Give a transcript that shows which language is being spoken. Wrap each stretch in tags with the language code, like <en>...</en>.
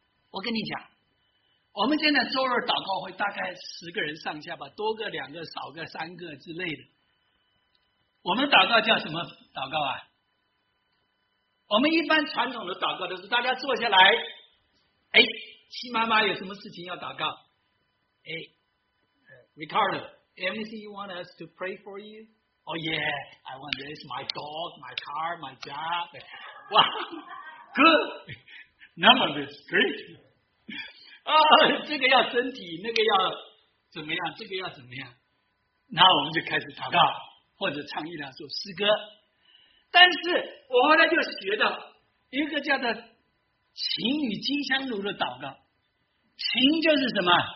<zh>我跟你讲，我们现在周二祷告会大概十个人上下吧，多个两个，少个三个之类的。我们祷告叫什么祷告啊？我们一般传统的祷告都是大家坐下来，哎，七妈妈有什么事情要祷告？</zh> <en>哎 ，Ricardo, anything you want us to pray for you? Oh yeah, I want this, my dog, my car, my job. Wow, good. None of this, great.</en> <zh>啊、oh, ，这个要身体，那个要怎么样？这个要怎么样？然后我们就开始祷告，或者唱一两首诗歌。但是我后来就学到一个叫做“情与金香炉”的祷告。情就是什么？</zh>